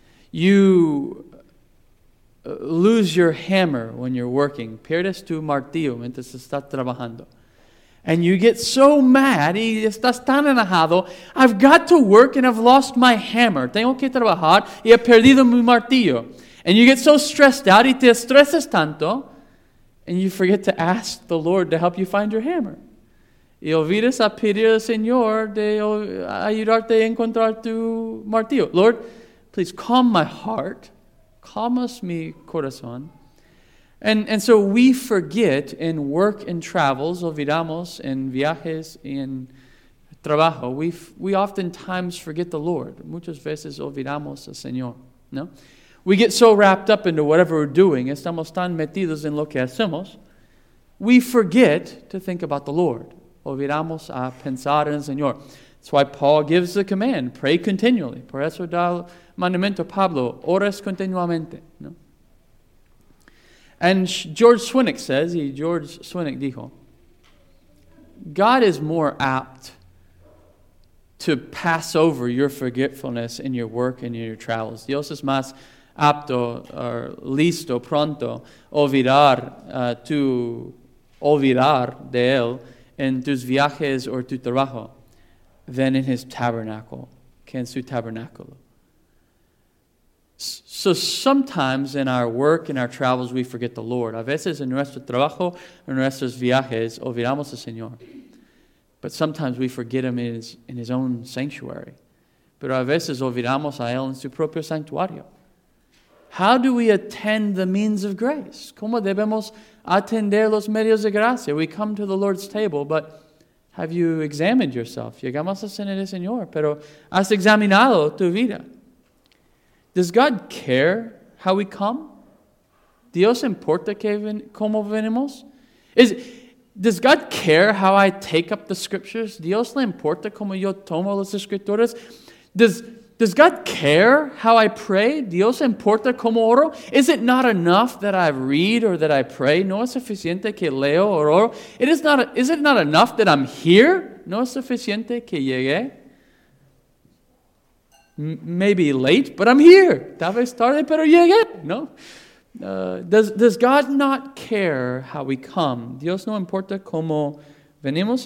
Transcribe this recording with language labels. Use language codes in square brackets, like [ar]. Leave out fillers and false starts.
[en] You lose your hammer when you're working. [es] Pierdes tu martillo mientras estás trabajando. [en] And you get so mad, [es] y estás tan enojado, [en] I've got to work and I've lost my hammer. [es] Tengo que trabajar y he perdido mi martillo. [en] And you get so stressed out, [es] y te estresas tanto, [en] and you forget to ask the Lord to help you find your hammer. [es] Y olvidas a pedir al Señor de ayudarte a encontrar tu martillo. [en] Lord, please calm my heart. [es] Calmas mi corazón. [en] And so we forget in work and travels, [es] olvidamos en viajes y en trabajo, [en] we oftentimes forget the Lord. [es] Muchas veces olvidamos al Señor, ¿no? [en] We get so wrapped up into whatever we're doing, [es] estamos tan metidos en lo que hacemos, [en] we forget to think about the Lord. [es] Olvidamos a pensar en el Señor. [en] That's why Paul gives the command, pray continually. [es] Por eso da el mandamiento Pablo, ores continuamente, ¿no? [en] And George Swinnick says, [es] George Swinnick dijo, [en] God is more apt to pass over your forgetfulness in your work and in your travels. [es] Dios es más apto, or listo, pronto, olvidar, to olvidar de él en tus viajes o tu trabajo [en] than in his tabernacle, [es] que en su tabernáculo. [en] So sometimes in our work, in our travels, we forget the Lord. [es] A veces en nuestro trabajo, en nuestros viajes, olvidamos al Señor. [en] But sometimes we forget Him in His own sanctuary. [es] Pero a veces olvidamos a Él en su propio santuario. [en] How do we attend the means of grace? [es] ¿Cómo debemos atender los medios de gracia? [en] We come to the Lord's table, but have you examined yourself? [es] Llegamos a cenar al Señor, pero has examinado tu vida. [en] Does God care how we come? [es] ¿Dios importa cómo venimos? [en] Does God care how I take up the scriptures? [es] ¿Dios le importa cómo yo tomo las escrituras? [en] Does God care how I pray? [es] ¿Dios importa cómo oro? [en] Is it not enough that I read or that I pray? [es] ¿No es suficiente que leo o oro? [en] Is it not enough that I'm here? [es] ¿No es suficiente que llegué? [en] Maybe late, but I'm here. [es] Tal vez tarde, pero llegué. [en] No. Does God not care how we come? [es] Dios no importa cómo venimos.